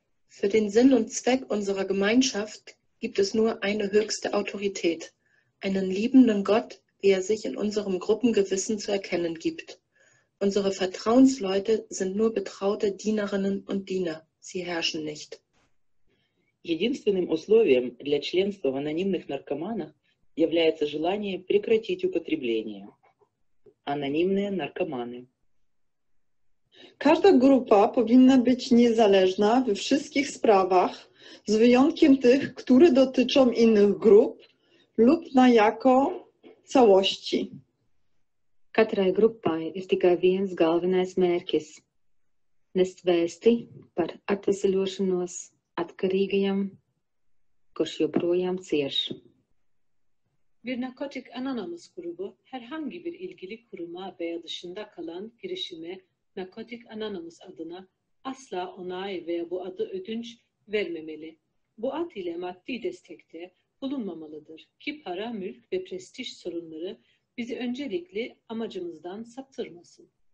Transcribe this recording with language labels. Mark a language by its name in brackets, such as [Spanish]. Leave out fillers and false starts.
[German] Für den Sinn und Zweck unserer Gemeinschaft gibt es nur eine höchste Autorität, einen liebenden Gott, wie er sich in unserem Gruppengewissen zu erkennen gibt. Unsere Vertrauensleute sind nur betraute Dienerinnen und Diener. Sie herrschen nicht. [Russian] Единственным условием для членства в анонимных наркоманах является желание прекратить употребление. Анонимные наркоманы. [Polish] Każda grupa powinna być niezależna we wszystkich sprawach, z wyjątkiem tych, które dotyczą innych grup lub na jako całości. [Latvian] Katrai grupai ir tikai viens galvenais mērķis – nest vēsti par atveseļošanos atkarīgajam, kurš joprojām cieš. [Turkish] Bir Narkotik Anonymous grubu herhangi bir ilgili kuruma veya dışında kalan girişime Narkotik Anonymous adına asla onay veya bu adı ödünç vermemeli. Bu ad ile maddi destekte bulunmamalıdır ki para, mülk ve prestij sorunları bizi öncelikli amacımızdan saptırmasın.